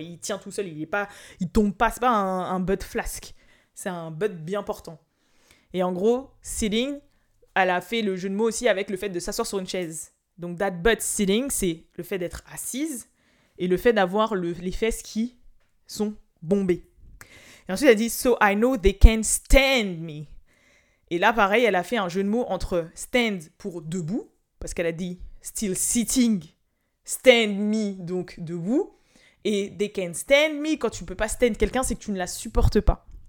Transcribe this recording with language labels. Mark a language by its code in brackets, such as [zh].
[fr] Il tient tout seul, il tombe pas. C'est pas un butt flasque. C'est un butt bien portant. Et en gros, sitting, elle a fait le jeu de mots aussi avec le fait de s'asseoir sur une chaise. Donc, that butt sitting, c'est le fait d'être assise et le fait d'avoir les fesses qui sont bombées. Et ensuite, elle dit, [en] so I know they can't stand me. [fr] Et là, pareil, elle a fait un jeu de mots entre stand pour debout, parce qu'elle a dit [en] still sitting, stand me, [fr] donc debout. Et [en] they can't stand me, [fr] quand tu ne peux pas stand quelqu'un, c'est que tu ne la supportes pas.